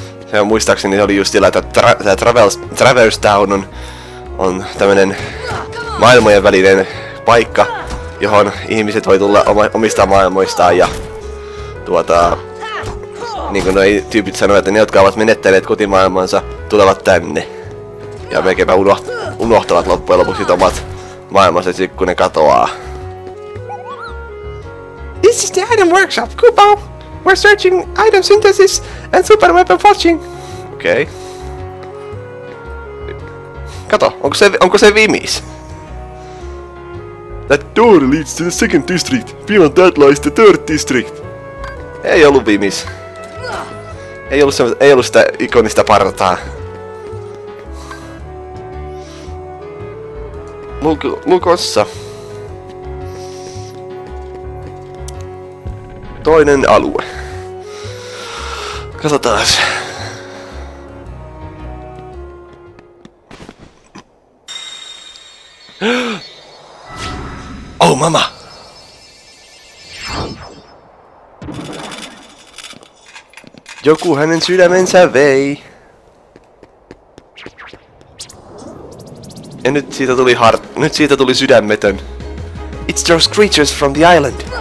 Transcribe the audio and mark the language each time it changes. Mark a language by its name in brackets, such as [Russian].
[Finnish] Sehän muistaakseni oli just sillä, että Traverse Town on tämmönen maailmojen välinen paikka, johon ihmiset voi tulla omista maailmoistaan ja tuota... Niin kuin noi tyypit sanoi, että ne, jotka ovat menettäneet kotimaailmansa, tulevat tänne. Ja melkeinpä unohtavat loppujen lopuksi omat maailmansa, kun ne katoaa. [English] This is the item workshop, Kupo! We're searching item synthesis and super weapon forging! [Finnish] Okei. Kato, onko se Vimis? [English] That door leads to the second district. Beyond that lies the third district. [Finnish] Ei ollut Vimis. Ei ollut sitä ikonista partaa. Lukossa. Toinen alue. Katsotaas. [English] Oh mama! [Finnish] Joku hänen sydämensä vei. Ja nyt siitä tuli sydämetön. [English] It's those creatures from the island.